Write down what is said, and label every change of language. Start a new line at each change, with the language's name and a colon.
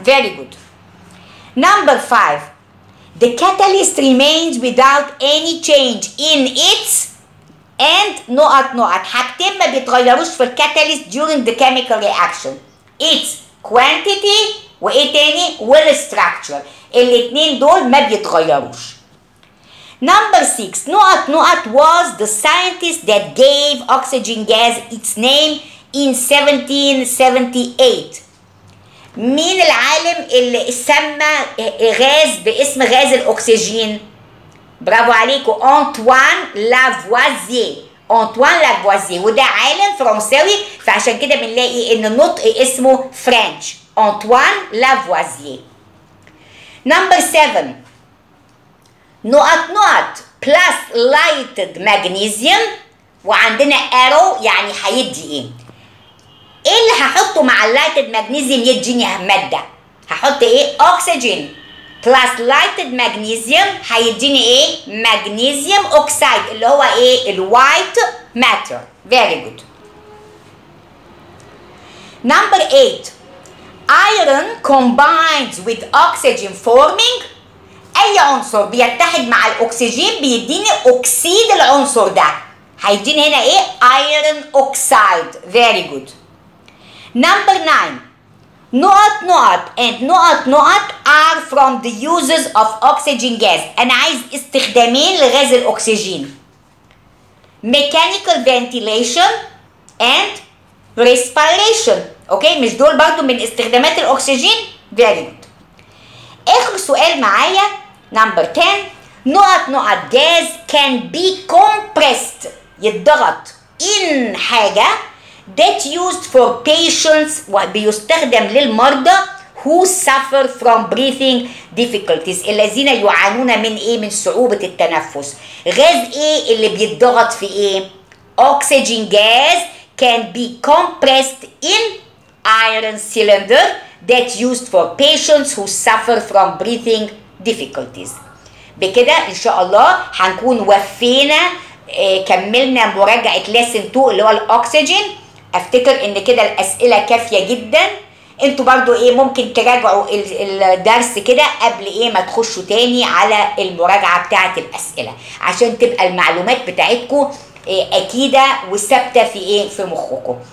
English: very good. number 5 the catalyst remains without any change in its and
Arabic: نقط نقط حاجتين ما بيتغيروش في الكاتاليست
English: during the chemical reaction its quantity
Arabic: وايه تاني والستراكشر الاثنين دول ما بيتغيروش.
English: number 6
Arabic: نقط نقط
English: was the scientist that gave oxygen gas its name in 1778.
Arabic: مين العالم اللي سمى غاز باسم غاز الاكسجين؟ برافو عليكم انطوان لافوازيه. انطوان لافوازيه وده عالم فرنساوي فعشان كده بنلاقي ان النطق اسمه فرنش انطوان لافوازيه. number 7 نقط نقط
English: plus lighted magnesium
Arabic: وعندنا arrow يعني هيدي ايه؟ ايه اللي هحطه مع اللايتد ماجنيزيوم يديني ماده؟ هحط ايه؟ اوكسجين بلس لايتد ماجنيزيوم هيديني ايه؟ ماجنيزيوم اوكسيد اللي هو ايه؟ الوايت ماتر.
English: very good. number 8 iron combines with oxygen forming
Arabic: اي عنصر بيتحد مع الاكسجين بيديني اكسيد العنصر ده هيديني هنا ايه؟
English: iron oxide. very good. number 9
Arabic: نقط نقط
English: and نقط نقط are from the uses of oxygen gas
Arabic: انا عايز استخدامين لغاز الاكسجين
English: mechanical ventilation and respiration.
Arabic: اوكي مش دول برضو من استخدامات الاكسجين؟
English: very good.
Arabic: اخر سؤال معايا number 10 نقط نقط
English: gas can be compressed
Arabic: يتضغط in حاجه
English: that used for patients
Arabic: وبيستخدم للمرضى
English: who suffer from breathing difficulties
Arabic: الذين يعانون من ايه؟ من صعوبة التنفس. غاز ايه اللي بيتضغط في ايه؟
English: oxygen gas can be compressed in iron cylinder that used for patients who suffer from breathing difficulties.
Arabic: بكده ان شاء الله هنكون وفينا كملنا مراجعة lesson 2 اللي هو الاكسجين. افتكر ان كده الاسئله كافيه جدا. انتوا برضو ايه ممكن تراجعوا الدرس كده قبل ايه ما تخشوا تاني على المراجعه بتاعه الاسئله عشان تبقى المعلومات بتاعتكم إيه اكيده وثابته في ايه في مخكم.